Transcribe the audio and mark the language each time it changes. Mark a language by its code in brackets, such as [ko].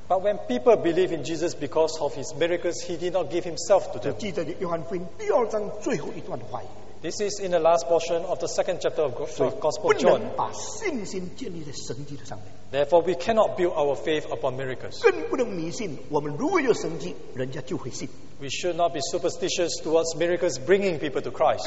[en] But when people believe in Jesus because of his miracles, he did not give himself to them. [zh] 记载约翰福音第二章最后一段的话语。 [en] This is in the last portion of the second chapter of Gospel John. Therefore, we cannot build our faith upon miracles. We should not be superstitious towards miracles bringing people to Christ.